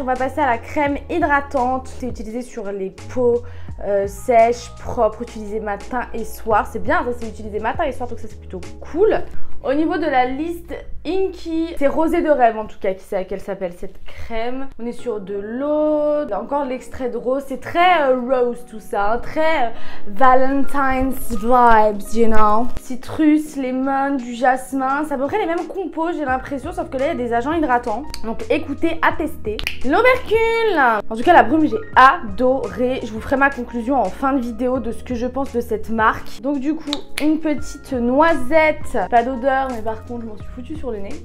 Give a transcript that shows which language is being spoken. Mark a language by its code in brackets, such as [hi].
[fr] On va passer à la crème hydratante. C'est utilisé sur les peaux sèches, propres, utilisées matin et soir. C'est bien, ça c'est utilisé matin et soir, donc ça c'est plutôt cool. Au niveau de la liste Inky, c'est rosé de rêve en tout cas, qui sait à quelle s'appelle cette crème. On est sur de l'eau, encore l'extrait de rose, c'est très rose tout ça, hein. [en] Très Valentine's vibes, you know. [fr] Citrus, lemon, du jasmin, c'est à peu près les mêmes compos, j'ai l'impression, sauf que là il y a des agents hydratants. Donc écoutez, à tester. L'aubercule. En tout cas la brume, j'ai adoré, je vous ferai ma conclusion en fin de vidéo de ce que je pense de cette marque. Donc du coup, une petite noisette, pas d'eau. Mais par contre, je m'en suis foutue sur le nez.